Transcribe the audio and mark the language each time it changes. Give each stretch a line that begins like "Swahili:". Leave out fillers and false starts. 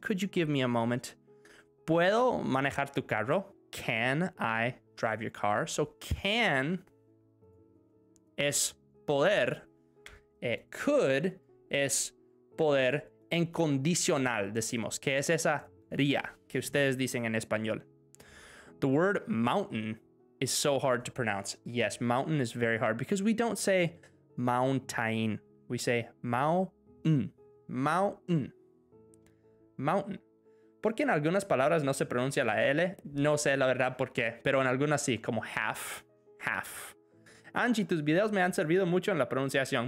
English: Could you give me a moment?
Spanish: ¿Puedo manejar tu carro?
English: Can I drive your car? So can
Spanish: es poder. Could es poder en condicional, decimos. ¿Qué es esa ría que ustedes dicen en español?
English: The word mountain is so hard to pronounce. Yes, mountain is very hard because we don't say mountain. We say mountain. Mountain. Mountain.
Spanish: ¿Por qué en algunas palabras no se pronuncia la L? No sé la verdad por qué, pero en algunas sí, como half, half. Angie, tus videos me han servido mucho en la pronunciación.